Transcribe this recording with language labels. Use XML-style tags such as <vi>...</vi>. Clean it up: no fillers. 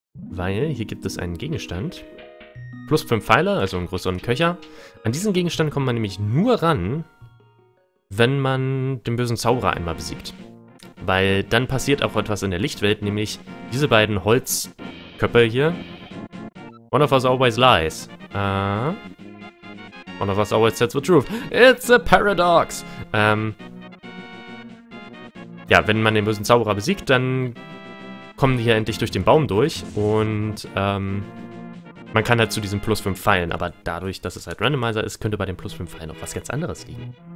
<de>Weil hier gibt es einen Gegenstand. Plus 5 Pfeile, also einen größeren Köcher. An diesen Gegenstand kommt man nämlich nur ran, wenn man den bösen Zauberer einmal besiegt. Weil dann passiert auch etwas in der Lichtwelt, nämlich diese beiden Holzköpfe hier.</de> <en>One of us always lies. One of us always tells the truth. It's a paradox!</en> <de>Ja, wenn man den bösen Zauberer besiegt, dann kommen die hier endlich durch den Baum durch. Und man kann halt zu diesen plus 5 Pfeilen. Aber dadurch, dass es halt Randomizer ist, könnte bei den plus 5 Pfeilen auch was ganz anderes liegen.</de>